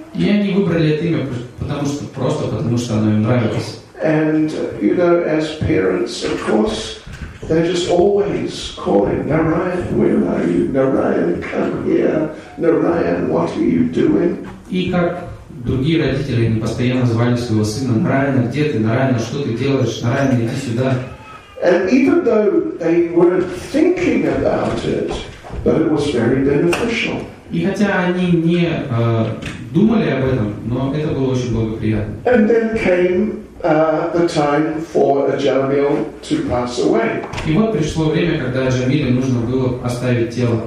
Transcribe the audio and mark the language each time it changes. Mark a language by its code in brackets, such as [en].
[ru] И они выбрали это имя потому что оно им нравилось. [en] And you know, as parents, of course, they're just always calling Narayan. Where are you, Narayan? Come here, Narayan. What are you doing? [ru] И как другие родители, они постоянно звали своего сына Нараяна. Где ты, Нараяна? Что ты делаешь, Нараяна? Иди сюда. [en] And even though they weren't thinking about it, but it was very beneficial. [ru] И хотя они не думали об этом, но это было очень благоприятно. [en] And then came the time for Ajamil to pass away. [ru] И вот пришло время, когда Ajamil нужно было оставить тело.